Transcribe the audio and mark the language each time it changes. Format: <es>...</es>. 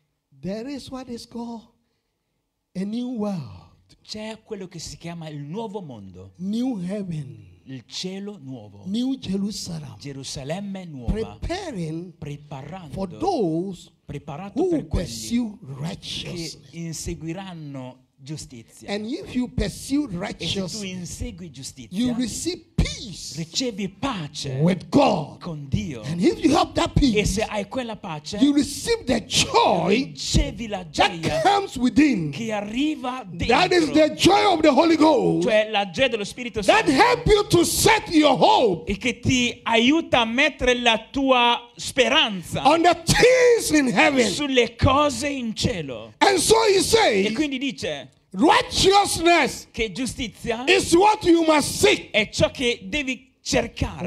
<en>There is what is called a new world.</en> <it>C'è quello che si chiama il nuovo mondo.</it> <en>New heaven.</en> <it>Il cielo nuovo.</it> <en>New Jerusalem.</en> <it>Gerusalemme nuova.</it> <en>Preparing,</en> <it>preparando</it> <en>for those,</en> <it>preparato</it> <en>who</en> <it>per quelli</it> <en>pursue righteousness,</en> <it>che inseguiranno giustizia.</it> <en>And if you pursue righteousness,</en> <it>e se tu insegui giustizia,</it> <en>you receive peace,</en> <it>ricevi pace</it> <en>with God,</en> <it>con Dio.</it> <en>And if you have that peace,</en> <it>e se hai quella pace,</it> <en>you receive the joy,</en> <it>ricevi la gioia</it> <en>that comes within,</en> <it>che arriva dentro.</it> <en>That is the joy of the Holy Ghost,</en> <it>cioè la gioia dello Spirito</it> <en>Santo, that help you to set your hope,</en> <it>e che ti aiuta a mettere la tua speranza,</it> <en>on the things in heaven,</en> <it>sulle cose in cielo.</it> <en>And so he says,</en> <it>e quindi dice,</it> <en>righteousness,</en> <it>che giustizia,</it> <en>is what you must seek,</en> <it>è ciò che devi cercare.</it>